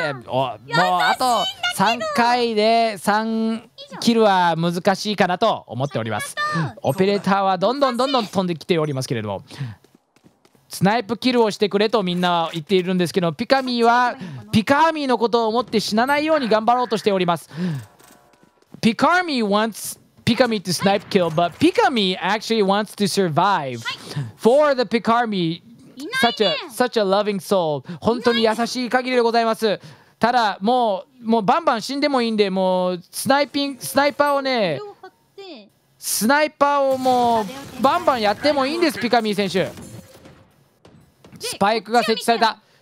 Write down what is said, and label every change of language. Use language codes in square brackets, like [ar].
[ja] もうあと3回で3キルは難しいかなと思っております。オペレーターはどんどんどんどん飛んできておりますけれども、スナイプキルをしてくれとみんな言っているんですけど、ピカミーはピカーミーのことを思って死なないように頑張ろうとしております。 [en] ピカーミー wants Pikamee to snipe kill, but Pikamee actually wants to survive for the Pikamee. Such a loving soul. [ja] 本当に優しい限りでございます。ただもうバンバン死んでもいいんで、もうスナイパーをね、スナイパーをもうバンバンやってもいいんです。ピカミー選手、スパイクが設置された。